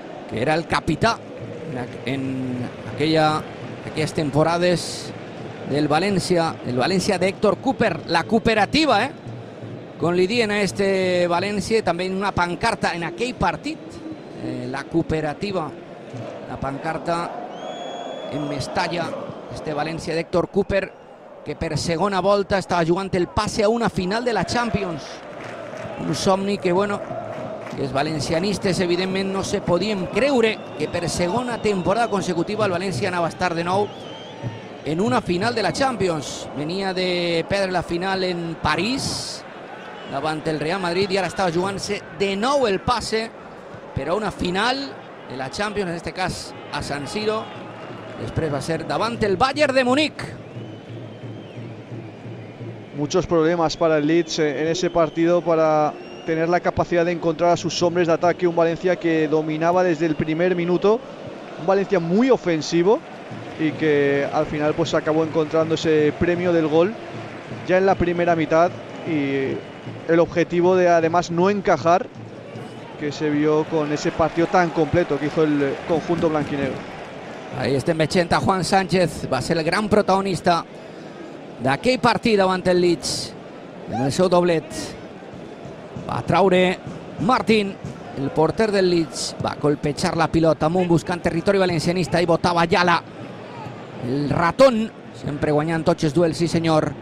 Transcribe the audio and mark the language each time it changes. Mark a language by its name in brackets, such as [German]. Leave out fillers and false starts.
[Spanish] que era el capitán en aquellas temporadas del Valencia, el Valencia de Héctor Cooper, la cooperativa, con Lidia en este Valencia, también una pancarta en aquel partido, la cooperativa, la pancarta en Mestalla, [Catalan] Este Valencia de Héctor Cooper, que per segona volta està jugant el passe a una final de la Champions. Un somni que, bueno, els valencianistes evidentment no se podien creure que per segona temporada consecutiva el Valencia anava a estar de nou en una final de la Champions. Venia de perdre la final en París davant el Real Madrid i ara estava jugant-se de nou el passe per a una final de la Champions, en este cas a San Siro. Després va ser davant el Bayern de Múnich. [Spanish] Muchos problemas para el Leeds en ese partido para tener la capacidad de encontrar a sus hombres de ataque. Un Valencia que dominaba desde el primer minuto, un Valencia muy ofensivo y que al final pues acabó encontrando ese premio del gol ya en la primera mitad, y el objetivo de además no encajar, que se vio con ese partido tan completo que hizo el conjunto blanquinegro. Ahí este Mechenta, Juan Sánchez, va a ser el gran protagonista [Catalan] d'aquell partit davant el Leeds. En el seu doblet va traure Martín, el porter del Leeds. Va colpejar la pilota amunt buscant territori valencianista i botava Yala, el ratón, sempre guanyant tots els duels, sí senyor.